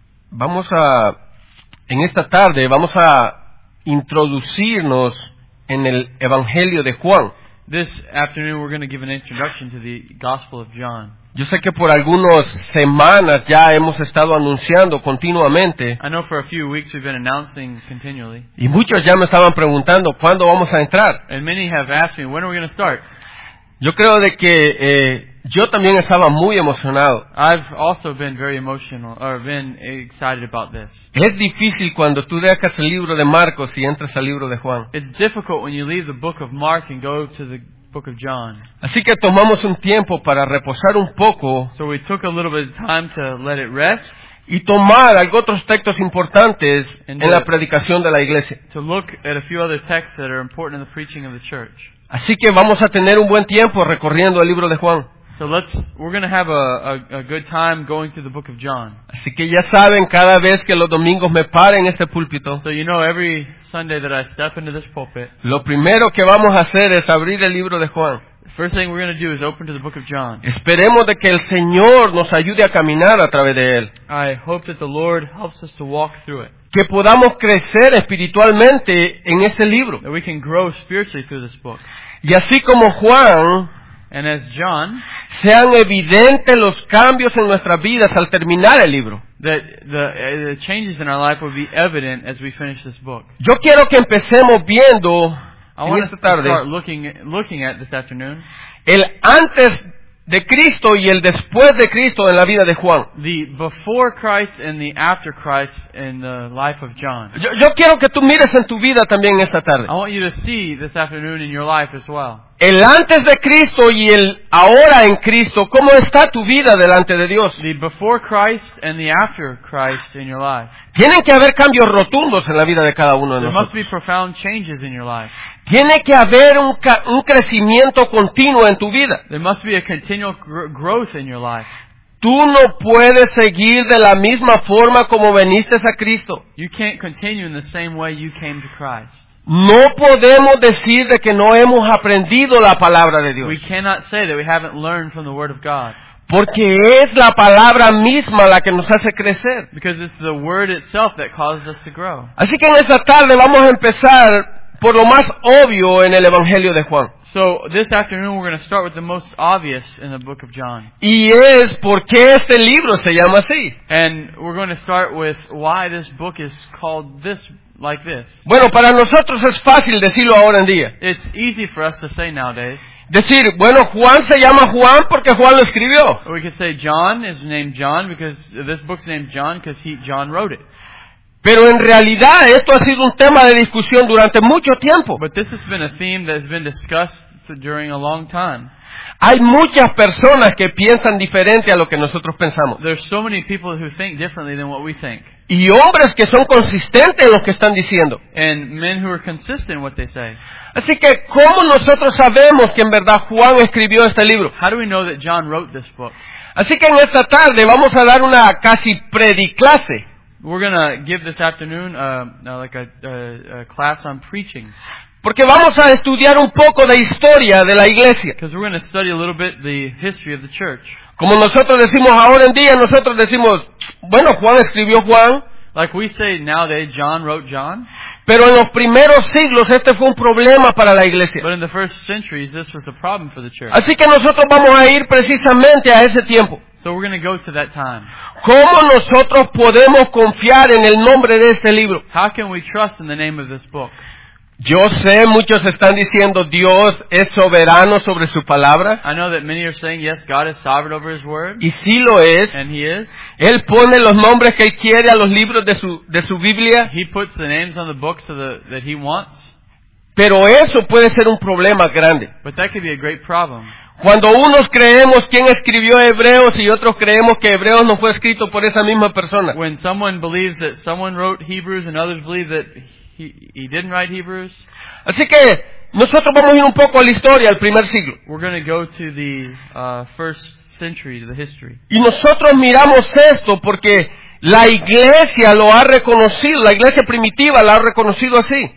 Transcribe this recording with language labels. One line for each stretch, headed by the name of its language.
Spanish: Vamos a, en esta tarde, vamos a introducirnos en el Evangelio de Juan.
English: This afternoon we're going to give an introduction to the Gospel of John.
Spanish: Yo sé que por algunas semanas ya hemos estado anunciando continuamente.
English: I know for a few weeks we've been announcing continually.
Spanish: Y muchos ya me estaban preguntando, ¿cuándo vamos a entrar?
English: And many have asked me, when are we going to start?
Spanish: Yo creo de que yo también estaba muy emocionado.
English: I've also been very emotional, or been excited about this.
Spanish: Es difícil cuando tú dejas el libro de Marcos y entras al libro de Juan.
English: It's difficult when you leave the book of Mark and go to the book of John.
Spanish: Así que tomamos un tiempo para reposar un poco.
English: So we took a little bit of time to let it rest.
Spanish: Y tomar algunos otros textos importantes en la predicación de la iglesia.
English: To look at a few other texts that are important in the preaching of the church.
Spanish: Así que vamos a tener un buen tiempo recorriendo el libro de Juan.
English: So we're going to have a good time going through the book of John.
Spanish: Así que ya saben, cada vez que los domingos me paren en este púlpito.
English: So you know, every Sunday that I step into this pulpit.
Spanish: Lo primero que vamos a hacer es abrir el libro de Juan.
English: First thing we're going to do is open to the book of John.
Spanish: Esperemos de que el Señor nos ayude a caminar a través de él.
English: I hope that the Lord helps us to walk through it.
Spanish: Que podamos crecer espiritualmente en este libro.
English: That we can grow spiritually through this book.
Spanish: Y así como Juan,
English: and as John,
Spanish: sean evidentes los cambios en nuestras vidas al terminar el libro.
English: That the changes in our life will be evident as we finish this book.
Spanish: Yo quiero que empecemos viendo en esta tarde
English: looking at this afternoon
Spanish: el antes de Cristo y el después de Cristo en la vida de Juan.
English: The before Christ and the after Christ in the life of John.
Spanish: Yo quiero que tú mires en tu vida también esta tarde.
English: I want you to see this afternoon in your life as well.
Spanish: El antes de Cristo y el ahora en Cristo, ¿cómo está tu vida delante de Dios?
English: The before Christ and the after Christ in your life.
Spanish: Tienen que haber cambios rotundos en la vida de cada uno de
English: There
Spanish: nosotros.
English: Must be profound changes in your life.
Spanish: Tiene que haber un crecimiento continuo en tu vida.
English: There must be a continual growth in your life.
Spanish: Tú no puedes seguir de la misma forma como viniste a Cristo.
English: You can't continue in the same way you came to Christ.
Spanish: No podemos decir de que no hemos aprendido la palabra de Dios.
English: We cannot say that we haven't learned from the Word of God.
Spanish: Porque es la palabra misma la que nos hace crecer.
English: Because it's the Word itself that causes us to grow.
Spanish: Así que en esta tarde vamos a empezar por lo más obvio en el Evangelio de Juan.
English: So this afternoon we're going to start with the most obvious in the book of John.
Spanish: Y es por qué este libro se llama así.
English: And we're going to start with why this book is called this like this.
Spanish: Bueno, para nosotros es fácil decirlo ahora en día.
English: It's easy for us to say nowadays.
Spanish: Decir, bueno, Juan se llama Juan porque Juan lo escribió.
English: Or we could say John is named John because this book's named John because John wrote it.
Spanish: Pero en realidad esto ha sido un tema de discusión durante mucho tiempo.
English: But this has been a theme that has been discussed during a long time.
Spanish: Hay muchas personas que piensan diferente a lo que nosotros pensamos.
English: There's so many people who think differently than what we think.
Spanish: Y hombres que son consistentes en lo que están diciendo.
English: And men who are consistent in what they say.
Spanish: Así que, ¿cómo nosotros sabemos que en verdad Juan escribió este libro?
English: How do we know that John wrote this book?
Spanish: Así que en esta tarde vamos a dar una casi prediclase.
English: We're going to give this afternoon a class on preaching.
Spanish: Porque vamos a estudiar un poco de historia de la iglesia.
English: Because we're going to study a little bit the history of the church.
Spanish: Como nosotros decimos ahora en día, nosotros decimos, bueno, Juan escribió Juan.
English: Like we say nowadays, John wrote John.
Spanish: Pero en los primeros siglos este fue un problema para la iglesia.
English: But in the first centuries, this was a problem for the church.
Spanish: Así que nosotros vamos a ir precisamente a ese tiempo.
English: So we're going to go to that time.
Spanish: ¿Cómo nosotros podemos confiar en el nombre de este libro?
English: How can we trust in the name of this book?
Spanish: Yo sé, muchos están diciendo Dios es soberano sobre su palabra.
English: I know that many are saying yes, God is sovereign over His word.
Spanish: Y sí lo es.
English: And He is.
Spanish: Él pone los nombres que él quiere a los libros de su Biblia.
English: He puts the names on the books that He wants.
Spanish: Pero eso puede ser un problema grande.
English: But that could be a great problem.
Spanish: Cuando unos creemos quién escribió Hebreos y otros creemos que Hebreos no fue escrito por esa misma persona.
English: When someone believes that someone wrote Hebrews and others believe that He didn't write Hebrews.
Spanish: Así que nosotros vamos a ir un poco a la historia, al primer siglo.
English: We're going to go to the first century, to the history.
Spanish: Y nosotros miramos esto porque la iglesia lo ha reconocido, la iglesia primitiva la ha reconocido así.